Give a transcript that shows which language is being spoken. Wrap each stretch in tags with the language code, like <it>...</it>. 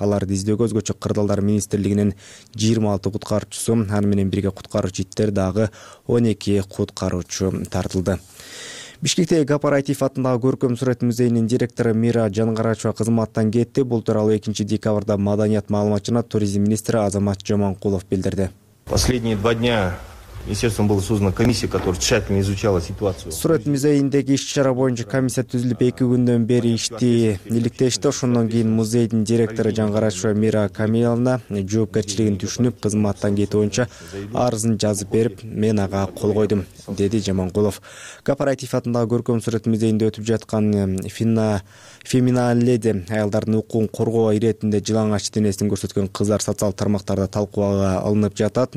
<ky>Аларды издөөгө өзгөчө кырдаалдар министрлигинин 26 куткаруучусу, аны менен бирге куткаруучу иттер дагы 12 куткаруучу тартылды. Бишкектеги Кооператив атындагы көркөм сүрөт музейинин директору Мира Жангарачева кызматтан кетти. Бул тууралуу 2 декабрда маданият маалымат жана туризм министри Азамат Жоманкулов билдирди.</ky> <ru>Последние 2 дня естественно, была создана комиссия, которая тщательно изучала ситуацию.</ru> <ky>Сурет музейиндеги иш-чара боюнча комиссия түзүлүп, 2 күндөн бери ишти иликтешти. Ошондон кийин музейдин директору Жангарачева Мира Камиловна жоопкерчилигин түшүнүп, кызматтан кетүү боюнча арызын жазып берип, мен ага кол койдум, деди Жаманкулов. Кооператив атындагы көркөм сүрөт музейинде өтүп жаткан феминаледи аялдардын укугун коргоо иретинде жылаңач денесин көрсөткөн кыздар социалдык тармактарда талкууга алынып жатат.</ky>